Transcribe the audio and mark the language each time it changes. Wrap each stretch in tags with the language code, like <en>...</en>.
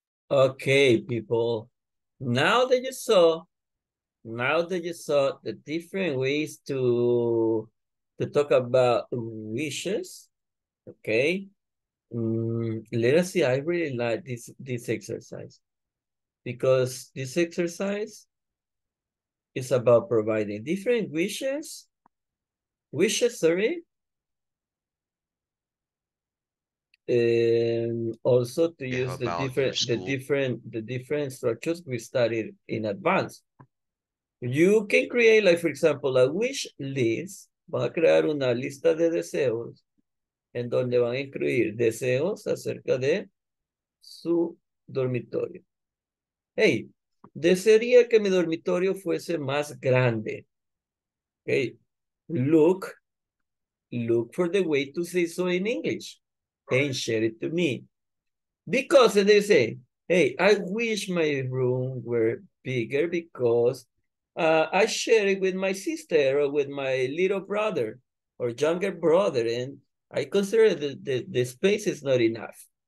<en>Okay, people, now that you saw the different ways to talk about wishes, okay, let us see. I really like this exercise, because this exercise is about providing different wishes, and also to use the different structures we studied in advance. You can create, like, for example, a wish list.</en> <es>Va a crear una lista de deseos en donde van a incluir deseos acerca de su dormitorio. Hey, desearía que mi dormitorio fuese más grande.</es> <en>Okay, look for the way to say so in English. And share it to me. Because they say, hey, I wish my room were bigger because I share it with my sister or with my little brother or younger brother, and I consider that the space is not enough.</en>